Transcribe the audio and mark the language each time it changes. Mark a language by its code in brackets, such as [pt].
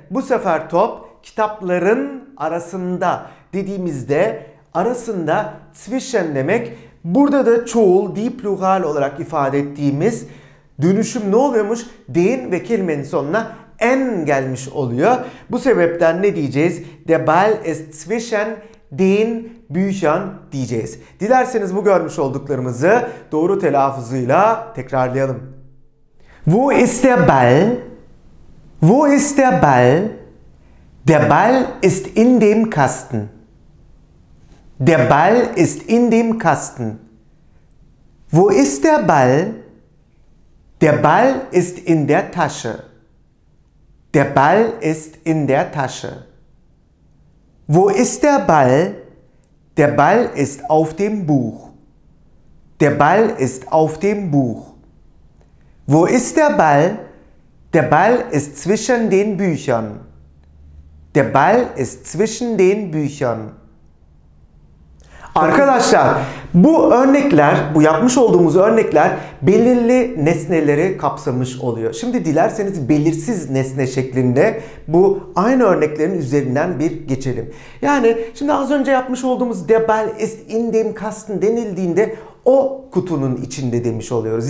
[tr] Bu sefer top kitapların arasında dediğimizde arasında zwischen demek. Burada da çoğul die plural olarak ifade ettiğimiz dönüşüm ne oluyormuş? Den ve kelimenin sonuna en gelmiş oluyor. Bu sebepten ne diyeceğiz? [de] Der Ball ist zwischen den Büchern [tr] diyeceğiz. Dilerseniz bu görmüş olduklarımızı doğru telaffuzuyla tekrarlayalım. [de] Wo ist der Ball? Wo ist der Ball? Der Ball ist in dem Kasten. Der Ball ist in dem Kasten. Wo ist der Ball? Der Ball ist in der Tasche. Der Ball ist in der Tasche. Wo ist der Ball? Der Ball ist auf dem Buch. Der Ball ist auf dem Buch. Wo ist der Ball? Der Ball ist zwischen den Büchern. Der Ball ist zwischen den Büchern. [tr] Arkadaşlar, bu örnekler, bu yapmış olduğumuz örnekler belirli nesneleri kapsamış oluyor. Şimdi dilerseniz belirsiz nesne şeklinde bu aynı örneklerin üzerinden bir geçelim. Yani şimdi az önce yapmış olduğumuz [de] der Ball ist in dem Kasten [tr] denildiğinde o kutunun içinde demiş oluyoruz.